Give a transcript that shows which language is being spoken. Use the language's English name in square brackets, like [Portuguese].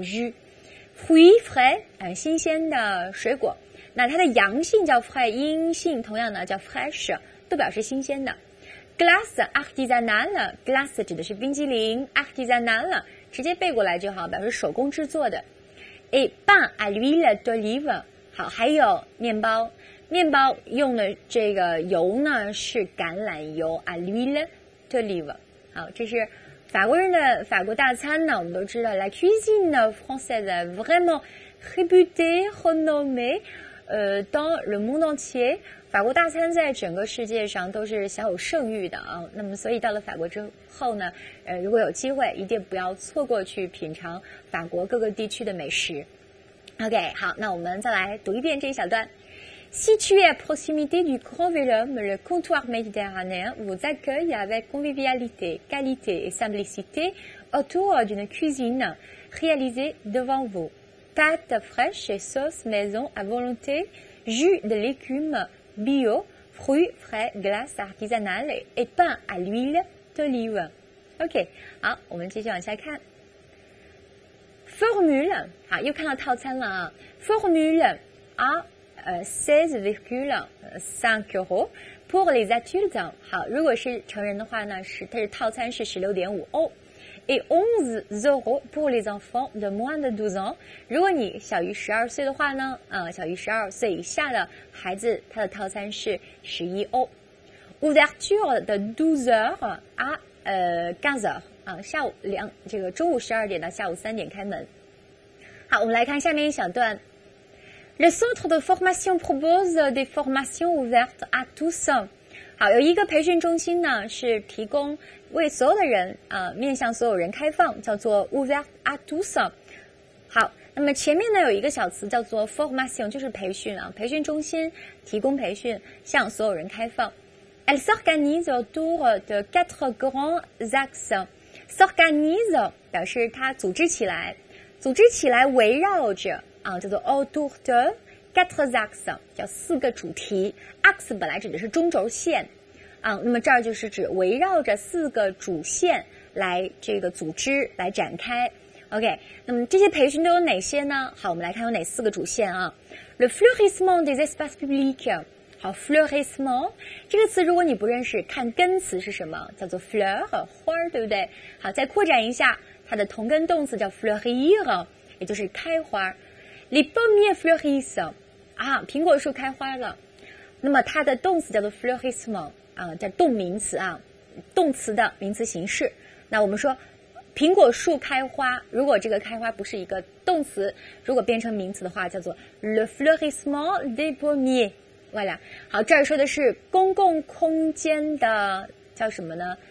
[French] Jus fruits frais [Chinese] 新鲜的水果，那它的阳性叫 frais， 阴性同样呢叫 fresh， 都表示新鲜的。 [French] Glass artisanal， [Chinese] glass 指的是冰激凌， artisanal 直接背过来就好，表示手工制作的。 [French] Et pain à l'huile d'olive， [Chinese] 好，还有面包用的这个油呢是橄榄油， [French] à l'huile d'olive。 [Chinese] 好，这是法国人的法国大餐呢，我们都知道 [French] la cuisine française vraiment réputée renommée dans le monde entier。 [Chinese] 法国大餐在整个世界上都是小有盛誉的啊，那么所以到了法国之后呢，如果有机会一定不要错过去品尝法国各个地区的美食。 OK， 好，那我们再来读一遍这一小段。 [French] Situé à proximité du Grand Vélome, le comptoir méditerranéen vous accueille avec convivialité, qualité et simplicité autour d'une cuisine réalisée devant vous. Pâtes fraîches et sauce maison à volonté, jus de légumesBio, fruits frais, glace artisanale et pain à l'huile d'olive. [Chinese] OK, 好，我们继续往下看。Formule, 好，又看到套餐了啊。 [French] Formule à 16,5 euros pour les adultes. [Chinese] 好，如果是成人的话呢，它是套餐是 16.5 欧。 [French] Et 11 euros pour les enfants de moins de 12 ans. [Chinese] 如果你小于12岁的话呢，小于12岁以下的孩子，他的套餐是11欧。 [French] Ouverture de 12 heures à 15 heures. [Chinese] 下午这个中午12点到下午3点开门。好，我们来看下面一小段。 [French] Le centre de formation propose des formations ouvertes à tous. [Chinese] 好，有一个培训中心呢，是提供为所有的人面向所有人开放，叫做 [French] ouvert à tous。 [Chinese] 好，那么前面呢有一个小词叫做 formation， 就是培训啊，培训中心提供培训，向所有人开放。 [French] Elle s'organise autour de quatre grands axes. [Chinese] S'organise 表示它组织起来，组织起来围绕着叫做 autour de。 Quatre axes 叫四个主题 ，ax 本来指的是中轴线，那么这儿就是指围绕着四个主线来这个组织来展开。 OK， 那么这些培训都有哪些呢？好，我们来看有哪四个主线啊 ？ [French] Le fleurissement des espaces publics， [Chinese] 好 ，fleurissement 这个词如果你不认识，看根词是什么，叫做 fleur 花，对不对？好，再扩展一下，它的同根动词叫 fleurir， 也就是开花。 [French] Les pommiers fleurissent， [Chinese] 苹果树开花了。那么它的动词叫做 fleurissement， 叫动名词啊，动词的名词形式。那我们说苹果树开花，如果这个开花不是一个动词，如果变成名词的话，叫做 [French] le fleurissement des pommiers。 [Chinese] voilà， 好，这儿说的是公共空间的叫什么呢？